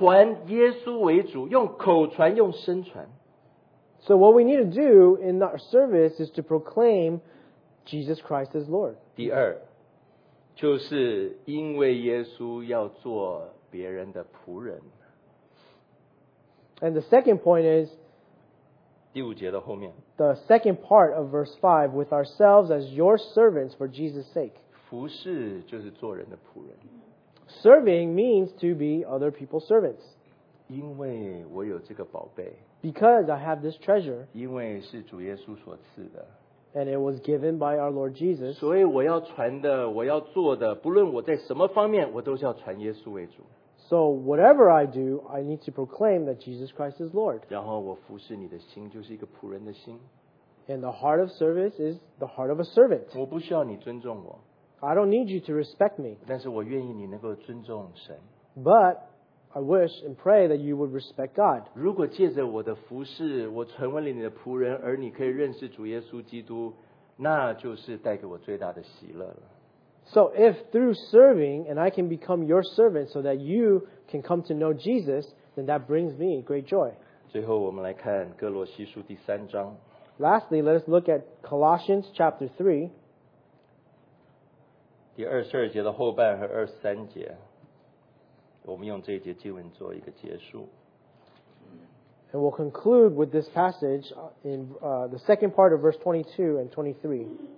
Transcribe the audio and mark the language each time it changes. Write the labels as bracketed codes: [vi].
[zh] 所以服侍有了那个心，我们怎么去需要传耶稣为主， 用口传，用身传。 [en] So what we need to do in our service is to proclaim Jesus Christ as Lord. [zh] 第二，就是因为耶稣要做别人的仆人。 [en] And the second point is, [zh] 第五节的后面, [en] the second part of verse 5, with ourselves as your servants for Jesus' sake. [zh] 服侍就是做人的仆人。 [en] Serving means to be other people's servants. [zh] 因为我有这个宝贝, [en] because I have this treasure. [zh] 因为是主耶稣所赐的, [en] and it was given by our Lord Jesus. [zh] 所以我要传的, 我要做的, 不论我在什么方面, 我都是要传耶稣为主。 [en] So whatever I do, I need to proclaim that Jesus Christ is Lord. [zh] 然后我服侍你的心就是一个仆人的心。 [en] And the heart of service is the heart of a servant. [zh] 我不需要你尊重我。 [en] I don't need you to respect me. [zh] 但是我愿意你能够尊重神。 [en] But I wish and pray that you would respect God. [zh] 如果借着我的服侍，我成为了你的仆人，而你可以认识主耶稣基督， 那就是带给我最大的喜乐了。 [en] So if through serving, and I can become your servant so that you can come to know Jesus, then that brings me great joy. [zh] 最后我们来看哥罗西书第三章。 [en] Lastly, let us look at Colossians chapter 3. [zh] 第22节的后半和23节, 我们用这一节经文做一个结束。 [en] And we'll conclude with this passage in the second part of verse 22 and 23.